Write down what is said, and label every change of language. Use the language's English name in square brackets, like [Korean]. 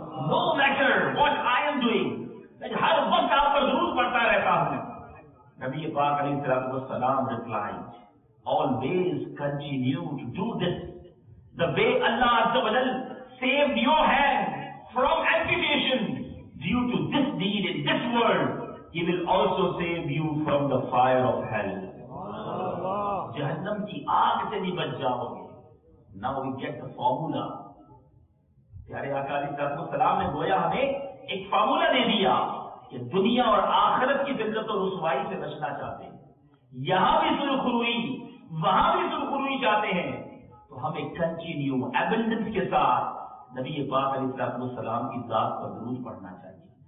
[English] No matter what I am doing, [Urdu] ہر وقت آپ پر درود پڑھتا رہتا ہوں. [English] نبی پاک علیہ السلام replied, always continue to do this, the way Allah عز و جل saved your hand from amputation due to this deed in this world, he will also save you from the fire of hell. [Urdu] جہنم کی آگ سے بھی بچ جاؤ گے. [English] Now we get the formula. [Urdu] پیارے آقا علیہ السلام نے گویا ہمیں ایک فارمولا دے دیا کہ دنیا اور آخرت کی ذلت و رسوائی سے بچنا چاہتے ہیں, یہاں بھی سرخ روئی وہاں بھی سرخ روئی چاہتے ہیں, تو ہم ایک [English] continue abundance [Urdu] کے ساتھ نبی پاک علیہ الصلوۃ والسلام کی ذات پر درود پڑھنا چاہیے.